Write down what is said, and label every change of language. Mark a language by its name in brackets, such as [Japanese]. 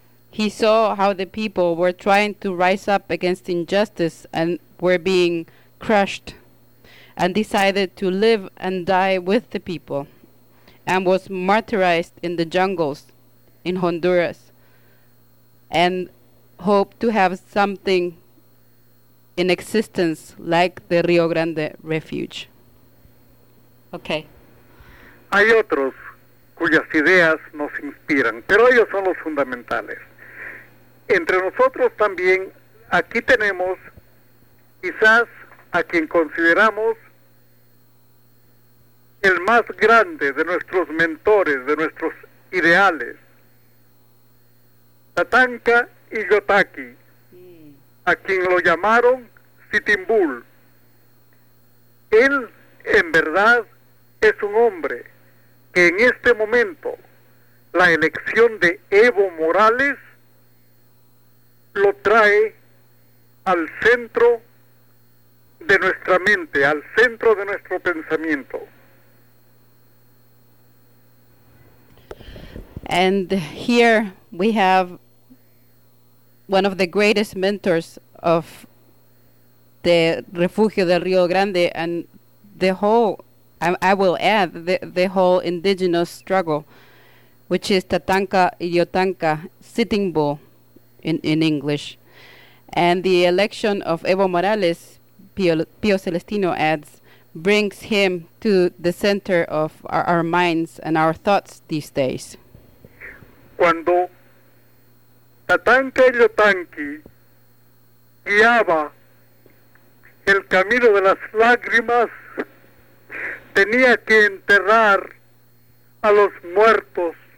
[English] He saw how the people were trying to rise up against injustice and were being crushed, and decided to live and die with the people, and was martyrized in the jungles in Honduras, and hope to have something in existence like the Rio Grande Refuge. Okay. [Spanish] Hay otros cuyas ideas nos inspiran, pero ellos son los fundamentales. Entre nosotros también, aquí tenemos quizás a quien consideramos el más grande de nuestros mentores, de nuestros ideales, Tatanka Iyotaki, a quien lo llamaron Sitimbul. Él, en verdad, es un hombre que en este momento, la elección de Evo Morales lo trae al centro de nuestra mente, al centro de nuestro pensamiento. [English] And here we have one of the greatest mentors of the Refugio del Rio Grande and the whole, I will add, the whole indigenous struggle, which is Tatanka Iyotaka, Sitting Bull in English. And the election of Evo Morales, Pio Celestino adds, brings him to the center of our minds and our thoughts these days. [Spanish] cuando Tatanka Yotanki guiaba el camino de las lágrimas, tenía que enterrar a los muertos.